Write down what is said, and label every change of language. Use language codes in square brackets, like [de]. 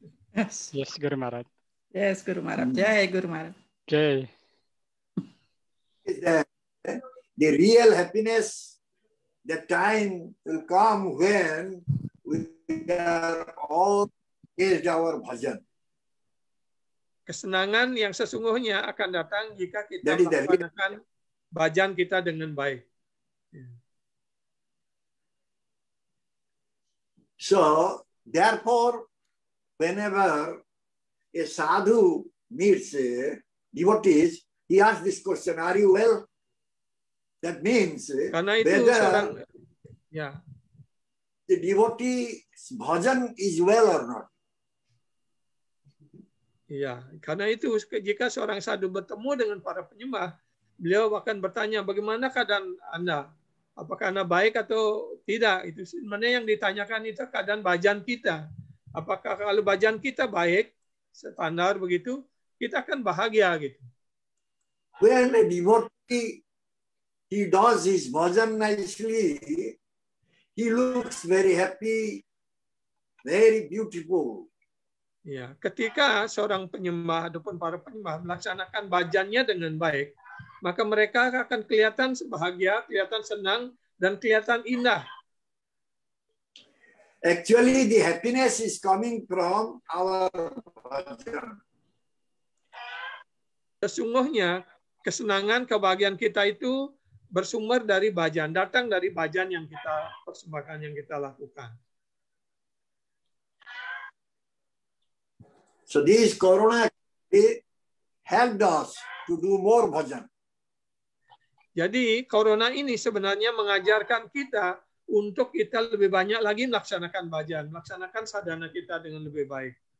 [en] Yes, Guru Maharaj. Yes, Guru Maharaj. Jai, Guru Maharaj. Jai. The real happiness, the time will come when we are all engaged our bhajan. [id] Kesenangan yang sesungguhnya akan datang jika kita melaksanakan bhajan kita dengan baik. [en] So, therefore, whenever a sadhu meets a devotee, he asks this question, are you well? That means [id] karena itu whether seorang, [en] the devotee's bhajan is well or not. [id] Ya, karena itu jika seorang sadhu bertemu dengan para penyembah, beliau akan bertanya bagaimana keadaan Anda, apakah Anda baik atau tidak. Itu sebenarnya yang ditanyakan itu keadaan bhajan kita. Apakah kalau bhajan kita baik, standar begitu, kita akan bahagia gitu. [en] When a devotee he does his bhajan nicely, he looks very happy, very beautiful. [id] Ya, ketika seorang penyembah ataupun para penyembah melaksanakan bhajannya dengan baik, maka mereka akan kelihatan bahagia, kelihatan senang, dan kelihatan indah. [en] Actually, the happiness is coming from our bhajan. [id] Sesungguhnya, kesenangan, kebahagiaan kita itu bersumber dari bhajan, datang dari bhajan yang kita persembahkan, yang kita lakukan. [en] So this corona helped us to do more bhajan. [id] Jadi corona ini sebenarnya mengajarkan kita untuk kita lebih banyak lagi melaksanakan bhajan, melaksanakan sadhana kita dengan lebih baik.